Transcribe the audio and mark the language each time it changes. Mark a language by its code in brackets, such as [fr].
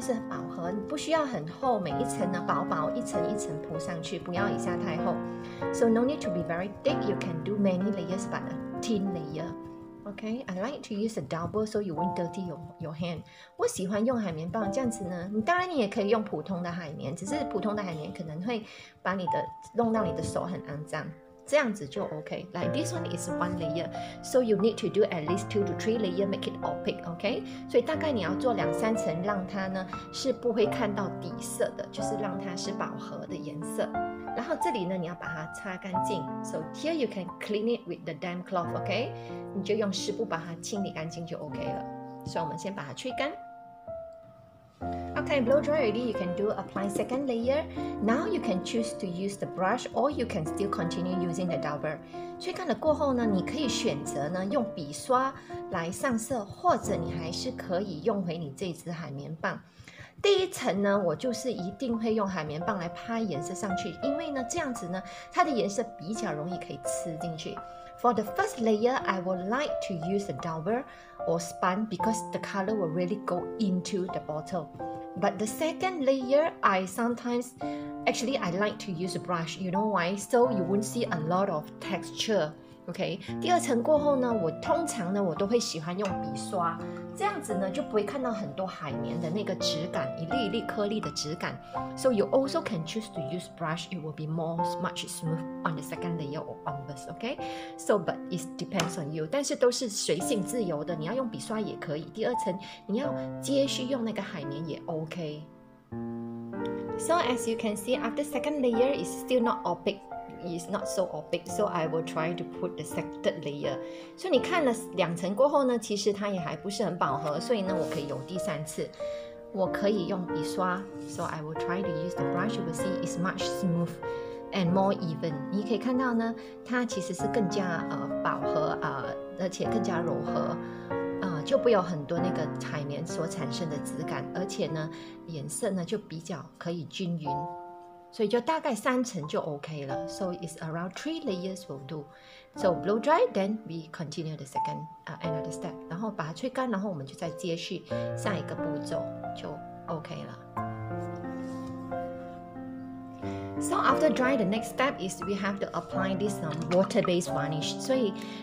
[zh] 饱和，不需要很厚，每一层呢薄薄一层一层铺上去，不要一下太厚。 [en] So no need to be very thick, you can do many layers, but a thin layer. Okay, I like to use a double so you won't dirty your hand. [zh] 我喜欢用海绵棒这样子呢，你当然你也可以用普通的海绵，只是普通的海绵可能会把你的弄到你的手很肮脏，这样子就 okay. [en] Like this one is one layer, so you need to do at least 2 to 3 layer make it all pick, okay? [zh] 所以大概你要做两三层，让它呢是不会看到底色的，就是让它是饱和的颜色。然后这里呢，你要把它擦干净。 [en] So here you can clean it with the damp cloth, okay? [zh] 你就用湿布把它清理干净就 okay 了。所以我们先把它吹干。 [en] Okay, blow dry already, you can do apply second layer. Now you can choose to use the brush or you can still continue using the dauber. [zh] 吹干了过后呢，你可以选择呢用笔刷来上色，或者你还是可以用回你这支海绵棒。第一层呢，我就是一定会用海绵棒来拍颜色上去，因为呢这样子呢它的颜色比较容易可以吃进去。 [en] For the first layer, I would like to use a dauber or sponge because the color will really go into the bottle. But the second layer, I like to use a brush. You know why? So you won't see a lot of texture. Okay. [zh] 第二层过后呢，我通常呢，我都会喜欢用笔刷，这样子呢，就不会看到很多海绵的那个质感，一粒一粒颗粒的质感。 [en] So you also can choose to use brush. It will be much smooth on the second layer or onwards. Okay. So, but it depends on you. [zh] 但是都是随性自由的，你要用笔刷也可以。第二层你要接续用那个海绵也 OK。 [en] So as you can see, after second layer is still not all big. It's not so opaque, so I will try to put the second layer. [zh] 所以你看了两层过后呢，其实它也还不是很饱和，所以呢，我可以有第三次，我可以用笔刷。 [en] So I will try to use the brush. You will see it's much smooth and more even. [zh] 你可以看到呢，它其实是更加饱和而且更加柔和就不有很多那个海绵所产生的质感，而且呢，颜色呢就比较可以均匀。所以就大概三层就 OK 了 [en] So it's around 3 layers will do So blow dry, then we continue the second another step [zh] 然后把它吹干，然后我们就再接续下一个步骤就 OK 了 [en] So after dry, the next step is we have to apply this water-based varnish [zh] 所以